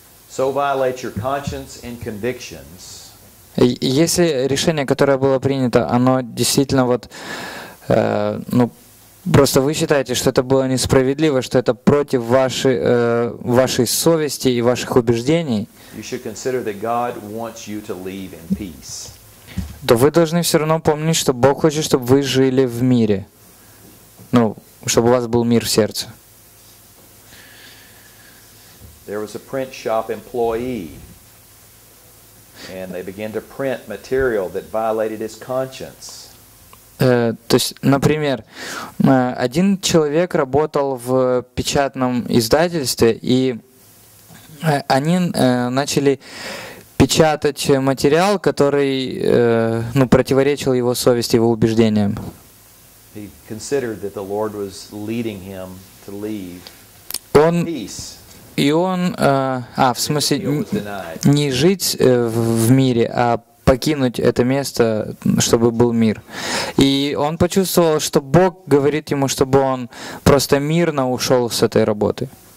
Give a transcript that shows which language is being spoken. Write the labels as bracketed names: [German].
[English] So violates your conscience and convictions. [Russian] Если решение, которое было принято, оно действительно вот, ну просто вы считаете, что это было несправедливо, что это против вашей совести и ваших убеждений. [English] You should consider that God wants you to live in peace. [Russian] То вы должны все равно помнить, что Бог хочет, чтобы вы жили в мире, ну чтобы у вас был мир в сердце. [English] There was a print shop employee, and they began to print material that violated his conscience. [Russian] То есть, например, один человек работал в печатном издательстве, и они начали печатать материал, который, ну, противоречил его совести, его убеждениям. [English] He considered that the Lord was leading him to leave in peace. [Russian] И он, в смысле, не жить в мире, а покинуть это место, чтобы был мир. И он почувствовал, что Бог говорит ему, чтобы он просто мирно ушел с этой работы.